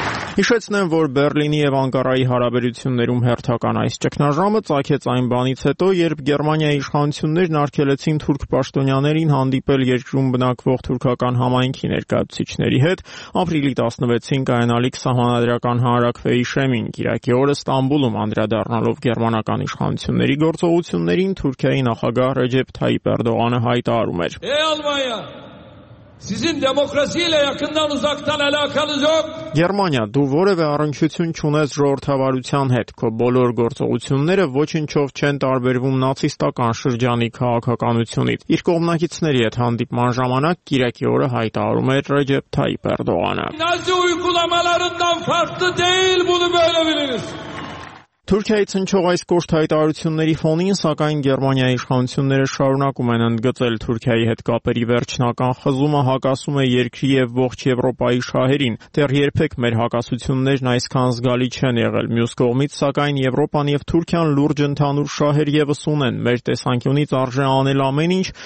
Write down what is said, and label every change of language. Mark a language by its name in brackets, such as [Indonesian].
[Armenian] Հիշեցնեմ, որ Բեռլինի եւ Անկարայի հարաբերություններում հերթական այս ճգնաժամը ծագեց այն բանից հետո, երբ Գերմանիայի իշխանություններն արգելեցին թուրք պաշտոնյաներին հանդիպել երկրում բնակվող թուրքական համայնքի ներկայացուցիչների հետ ապրիլի 16-ին կայանալիք սահմանադրական հանրաքվեի Շեմին, Կիրակի օրը Ստամբուլում անդրադառնալով գերմանական իշխանությունների գործողություններին Թուրքիայի նախագահ Ռեջեփ Թայիփ Էրդողանը հայտարարում էր. [Turkish] Sizin demokrasiyle yakından uzaktan alakanız yok. [Armenian] Գերմանիա, դու որևէ առնչություն չունես ժողովրդավարության հետ, քո բոլոր գործողությունները ոչնչով չեն տարբերվում նացիստական շրջանի քաղաքականությունից։ Իր կողմնակիցների հետ հանդիպման ժամանակ Կիրակի օրը հայտարարում էր Ռեջեփ Թայիփ Էրդողանը. [Turkish] Nazi uygulamalarından farklı değil bunu böyle biliriz. [Armenian] Թուրքիայից հնչող այս կոշտ հայտարարությունների ֆոնին, սակայն Գերմանիայի իշխանությունները շարունակում են ընդգծել Թուրքիայի հետ կապերի վերջնական խզումը, հակասում է երկրի եւ ողջ Եվրոպայի շահերին։ Դեռ երբեք մեր հակասություններն այսքան զգալի չեն եղել։ Մյուս կողմից, սակայն Եվրոպան եւ Թուրքիան լուրջ ընդհանուր շահեր եւս ունեն։ Մեր տեսանկյունից արժե անել ամեն ինչ